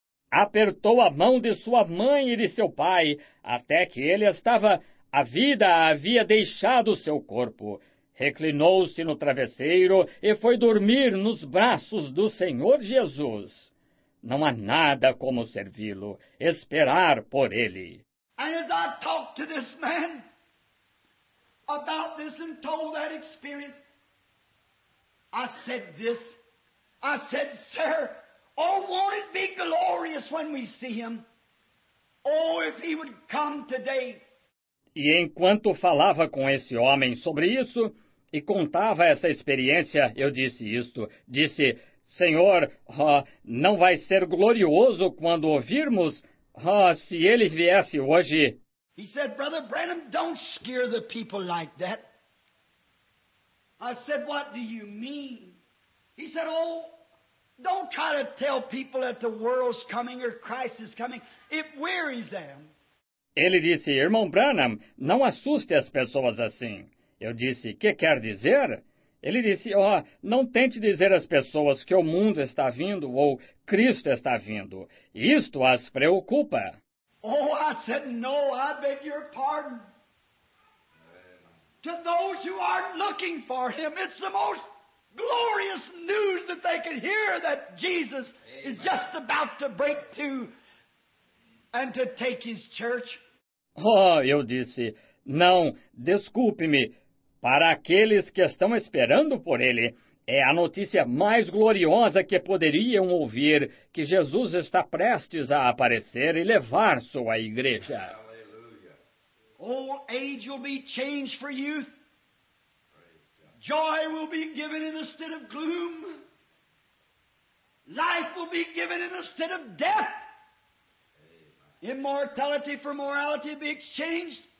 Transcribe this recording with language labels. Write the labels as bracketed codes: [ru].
[pt] Apertou a mão de sua mãe e de seu pai, até que a vida havia deixado seu corpo. Reclinou-se no travesseiro e foi dormir nos braços do Senhor Jesus. Não há nada como servi-lo, esperar por ele. [en] And as I talked to this man about this and told that experience, I said this, I said, sir, oh, won't it be glorious when we see him? Oh, if he would come today. [pt] E enquanto falava com esse homem sobre isso e contava essa experiência, eu disse isto. Disse, senhor, não vai ser glorioso quando ouvirmos? Se ele viesse hoje. [en] He said, brother Branham, don't scare the people like that. I said, what do you mean? He said, oh, don't try to tell people that the world's coming or Christ is coming. It wearies them. [pt] Ele disse, irmão Branham, não assuste as pessoas assim. Eu disse, que quer dizer? Ele disse, oh, não tente dizer às pessoas que o mundo está vindo ou Cristo está vindo. Isto as preocupa. [en] Oh, I said, no, I beg your pardon. To those who aren't looking for him, it's the most glorious news that they can hear that Jesus Amen. Is just about to break through and to take his church. [pt] Oh, eu disse, não, desculpe-me. Para aqueles que estão esperando por ele, é a notícia mais gloriosa que poderiam ouvir que Jesus está prestes a aparecer e levar sua igreja. [en] Old age will be changed for youth. Joy will be given instead of gloom. Life will be given instead of death. Immortality for morality be exchanged.